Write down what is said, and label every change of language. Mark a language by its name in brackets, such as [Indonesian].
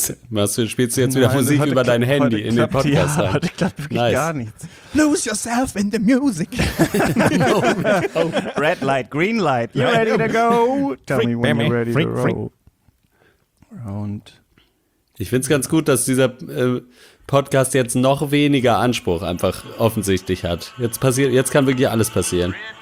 [German] Was spielst du jetzt wieder Musik heute über dein Handy in den Podcast? Ja, heute klappt wirklich gar nichts. [English] Lose yourself in the music. Red light, green light. You ready to go? Tell me when you're ready to roll. Round. [German] Ich finde es ganz gut, dass dieser Podcast jetzt noch weniger Anspruch einfach offensichtlich hat. Jetzt passiert, jetzt kann wirklich alles passieren.